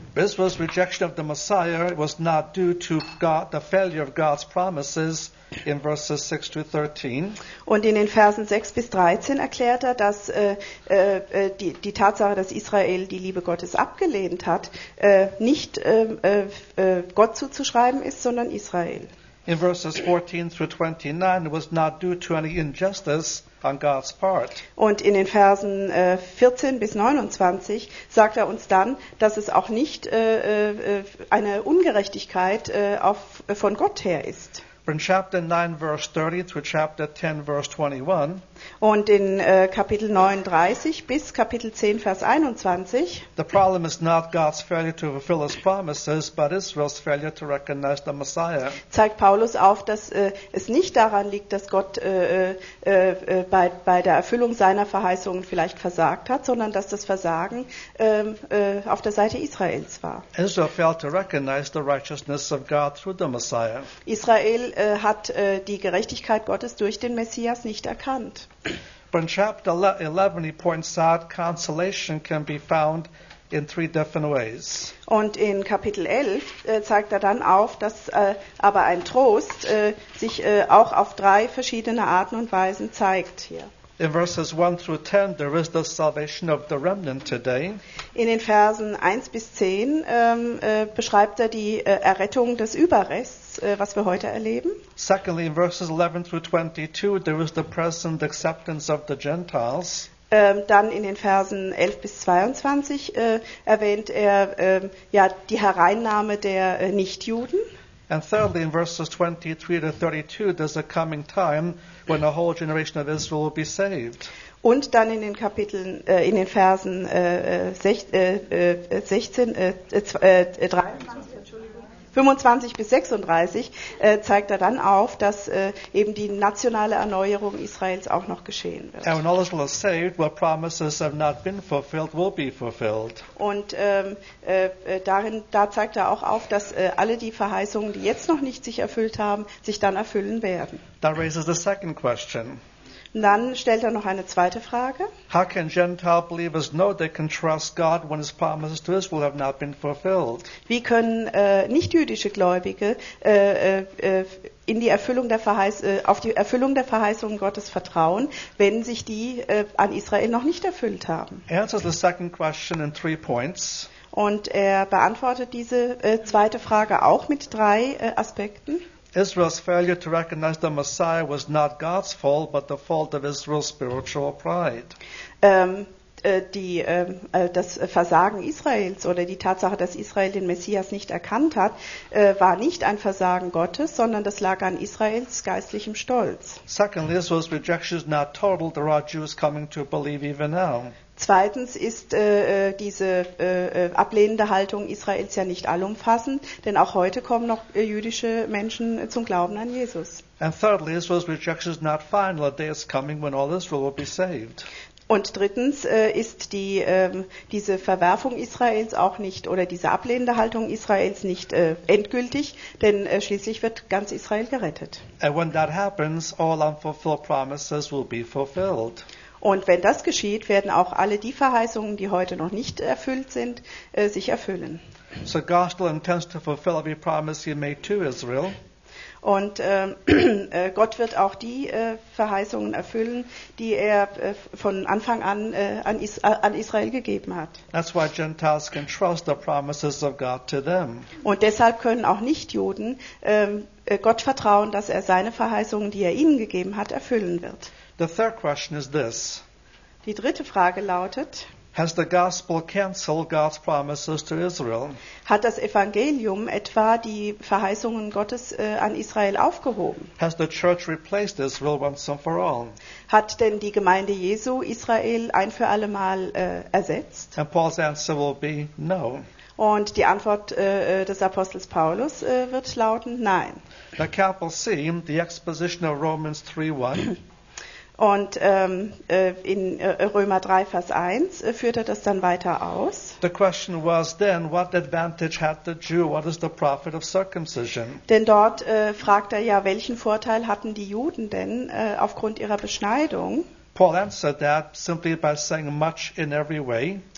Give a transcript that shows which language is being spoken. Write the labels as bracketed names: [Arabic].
[English] This was rejection of the Messiah. It was not due to God, the failure of God's promises in verses 6 to 13. [German] Und in den Versen 6 bis 13 erklärt er, dass die Tatsache, dass Israel die Liebe Gottes abgelehnt hat, nicht Gott zuzuschreiben ist, sondern Israel. [English] In verses 14 through 29, it was not due to any injustice on God's part. [German] Und in den Versen 14 bis 29 sagt er uns dann, dass es auch nicht eine Ungerechtigkeit von Gott her ist. [English] From chapter 9, verse 30 through chapter 10, verse 21. [German] Und in Kapitel 39 bis Kapitel 10, Vers 21. [English] The problem is not God's failure to fulfill his promises, but Israel's failure to recognize the Messiah. [German] Zeigt Paulus auf, dass es nicht daran liegt, dass Gott bei der Erfüllung seiner Verheißungen vielleicht versagt hat, sondern dass das Versagen auf der Seite Israels war. [English] Israel failed to recognize the righteousness of God through the Messiah. [German] Israel hat die Gerechtigkeit Gottes durch den Messias nicht erkannt. [English] But in chapter 11 he points out consolation can be found in three different ways. [German] Und in Kapitel 11 zeigt er dann auf, dass aber ein Trost sich auch auf drei verschiedene Arten und Weisen zeigt hier. [English] In verses 1 through 10 there is the salvation of the remnant today. [German] In den Versen 1 bis 10 beschreibt er die Errettung des Überrests, was wir heute erleben. [English] Secondly, in verses 11 through 22, there is the present acceptance of the Gentiles. [German] Dann in den Versen 11 bis 22 erwähnt er die Hereinnahme der Nichtjuden. [English] And thirdly, in verses 23 to 32, there's a coming time when a whole generation of Israel will be saved. [German] Und dann in den Kapiteln, in den Versen 25 bis 36 zeigt er dann auf, dass eben die nationale Erneuerung Israels auch noch geschehen wird. [English] And when all Israel is saved, what promises have not been fulfilled will be fulfilled. [German] Und da zeigt er auch auf, dass alle die Verheißungen, die jetzt noch nicht sich erfüllt haben, sich dann erfüllen werden. [English] That raises the second question. [German] Dann stellt er noch eine zweite Frage. [English] How can Gentile believers know they can trust God when his promises to Israel have not been fulfilled? [German] Wie können nicht-jüdische Gläubige auf die Erfüllung der Verheißungen Gottes vertrauen, wenn sich die an Israel noch nicht erfüllt haben? [English] He answers the second question in three points. [German] Und er beantwortet diese zweite Frage auch mit drei Aspekten. [English] Israel's failure to recognize the Messiah was not God's fault, but the fault of Israel's spiritual pride. [German] Das Versagen Israels oder die Tatsache, dass Israel den Messias nicht erkannt hat, war nicht ein Versagen Gottes, sondern das lag an Israels geistlichem Stolz. [English] Secondly, Israel's rejection is not total. There are Jews coming to believe even now. [German] Zweitens ist diese ablehnende Haltung Israels ja nicht allumfassend, denn auch heute kommen noch jüdische Menschen zum Glauben an Jesus. [English] And thirdly, Israel's rejection is not final. A day is coming when all Israel will be saved. [German] Und drittens ist diese Verwerfung Israels auch nicht oder diese ablehnende Haltung Israels nicht endgültig, denn schließlich wird ganz Israel gerettet. [English] And when that happens, all unfulfilled promises will be fulfilled. [German] Und wenn das geschieht, werden auch alle die Verheißungen, die heute noch nicht erfüllt sind, sich erfüllen. [English] So God still intends to fulfill every promise he made to Israel. [German] Und Gott wird auch die Verheißungen erfüllen, die er von Anfang an an Israel gegeben hat. [English] That's why Gentiles can trust the promises of God to them. [German] Und deshalb können auch Nichtjuden Gott vertrauen, dass er seine Verheißungen, die er ihnen gegeben hat, erfüllen wird. [English] The third question is this. [German] Die dritte Frage lautet: [English] Has the gospel canceled God's promises to Israel? [German] Hat das Evangelium etwa die Verheißungen Gottes an Israel aufgehoben? [English] Has the church replaced Israel once and for all? [German] Hat denn die Gemeinde Jesu Israel ein für alle Mal ersetzt? [English] And Paul's answer will be no. [German] Und die Antwort des Apostels Paulus wird lauten nein. [English] The capital C, the exposition of Romans 3:1. [German] Und in Römer 3, Vers 1 führt er das dann weiter aus. [English] The question was then, what advantage had the Jew? What is the profit of circumcision? [German] Denn dort fragt er ja, welchen Vorteil hatten die Juden denn aufgrund ihrer Beschneidung? [English] Paul answered that simply by saying much in every way.